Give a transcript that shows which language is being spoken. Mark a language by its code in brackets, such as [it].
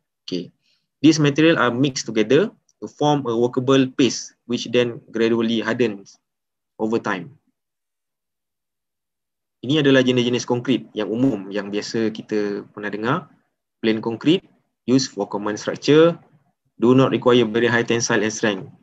[en] Okay, this material are mixed together to form a workable paste, which then gradually hardens over time. [id] Ini adalah jenis-jenis konkrit yang umum yang biasa kita pernah dengar. [en] Plain concrete, used for common structure, do not require very high tensile and strength.